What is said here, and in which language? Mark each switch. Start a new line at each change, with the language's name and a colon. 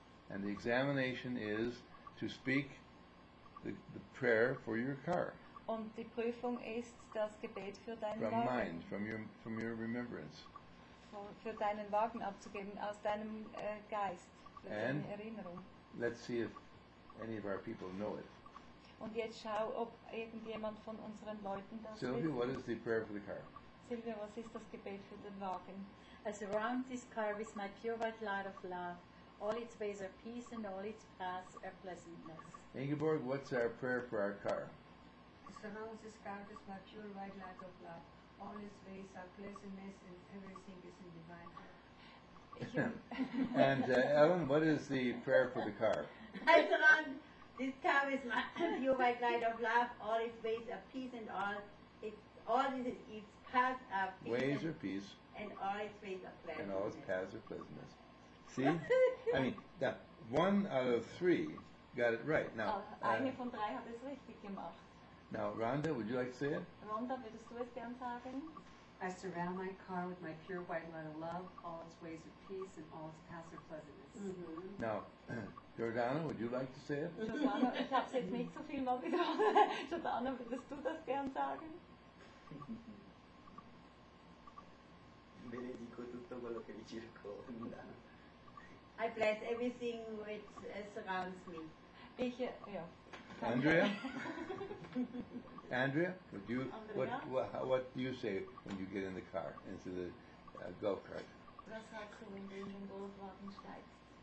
English: And the examination is to speak the prayer for your car.
German: Und die Prüfung ist das Gebet für deinen Wagen.
English: From mind, from your remembrance.
German: Für deinen Wagen abzugeben aus deinem Geist.
English: And
German: Erinnerung.
English: Let's see if any of our people know it.
German: Und jetzt schau, ob irgendjemand von unseren Leuten das Sylvie, wissen.
English: What is the prayer for the car?
German: Sylvie, was ist das Gebet für den Wagen?
English: I surround this car with my pure white light of love. All its ways are peace and all its paths are pleasantness. Ingeborg, what's our prayer for our car? I surround this car with my pure white light of love. All its ways are pleasantness and everything is in divine love. And Ellen, what is the prayer for the car? I surround this car with my pure white light of love. All its ways are peace and all its paths are peace. Ways are peace. And all its ways are pleasantness. And all its paths are pleasantness. See? I mean, that one out of three got it right. Now,
German: eine von drei hat es richtig gemacht.
English: Now, Rhonda, would you like to say it?
German: Rhonda, würdest du es gern sagen?
English: I surround my car with my pure white light of love. All its ways are peace and all its paths are pleasantness. Mm-hmm. Now, Jordana, would you like to say it?
German: Jordana, ich habe es jetzt nicht so viel mal wiederholt. Jordana, würdest du das gern sagen?
Italian: Benedico tutto quello che mi circonda.
English: I bless everything which surrounds me.
German: Ich, ja.
English: Andrea? Andrea, what do you say when you get in the car, into the golf cart?
German: Was sagst du, wenn du in den Golfwagen steigst?